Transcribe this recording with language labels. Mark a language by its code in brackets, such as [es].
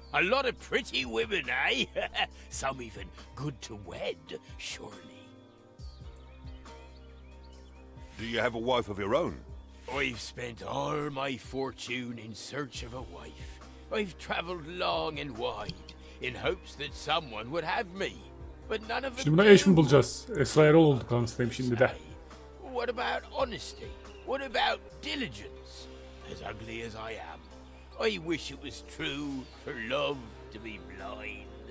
[en] A lot of pretty women, eh? Some even good to wed, surely. Do you have a wife of your own? I've spent all my fortune in search of a wife. I've traveled long and wide in hopes that someone would have me. But none of them. [tr] Şimdi buna eş mi bulacağız? Esra Erol olduk lan, istemiş şimdi de. [en] What about honesty? What about diligence? As ugly as I am, I wish it was true for love to be blind.